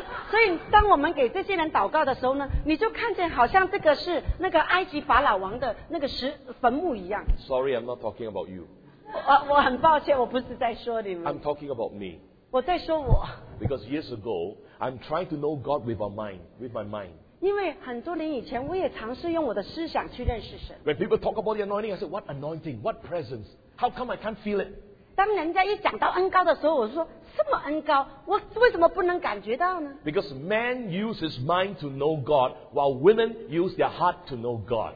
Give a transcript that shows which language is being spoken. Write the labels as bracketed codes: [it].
[zh] 所以当我们给这些人祷告的时候呢，你就看见好像这个是那个埃及法老王的那个石坟墓一样。 [en] Sorry, I'm not talking about you. [zh] 我很抱歉，我不是在说你们。 [en] I'm talking about me. [zh] 我在说我。 [en] Because years ago, I'm trying to know God with our mind, with my mind. [zh] 因为很多年以前，我也尝试用我的思想去认识神。 [en] When people talk about the anointing, I say, "What anointing? What presence? How come I can't feel it?" [zh] 当人家一讲到恩膏的时候，我说什么恩膏？我为什么不能感觉到呢？ [en] Because men use his mind to know God, while women use their heart to know God.